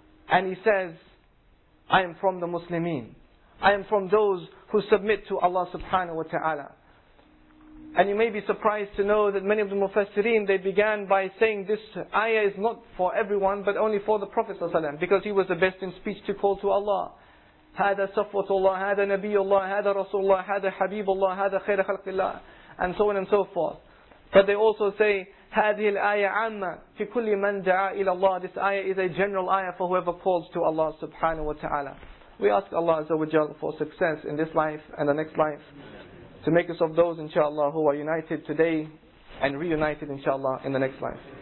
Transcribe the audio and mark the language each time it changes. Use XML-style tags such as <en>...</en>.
<en>And he says, I am from the Muslimin. I am from those who submit to Allah subhanahu wa ta'ala. And you may be surprised to know that many of the Mufassireen, they began by saying this ayah is not for everyone, but only for the Prophet sallallahu alaihi wasallam, because he was the best in speech to call to Allah.</en> <ar>هَذَا صَفْوَةُ اللَّهِ هَذَا نَبِيُّ اللَّهِ هَذَا رَسُولُ اللَّهِ هَذَا حَبِيبُ اللَّهِ هَذَا خَيْرَ خَلْقِ اللَّهِ,</ar> <en>and so on and so forth. But they also say,</en> <ar>هَذِهِ الْآيَةِ عَمَّ فِي كُلِّ مَنْ دَعَى إِلَى اللَّهِ.</ar> <en>This ayah is a general ayah for whoever calls to Allah subhanahu wa ta'ala. We ask Allah Azza wa Jal for success in this life and the next life, to make us of those inshaAllah who are united today and reunited inshaAllah in the next life.</en>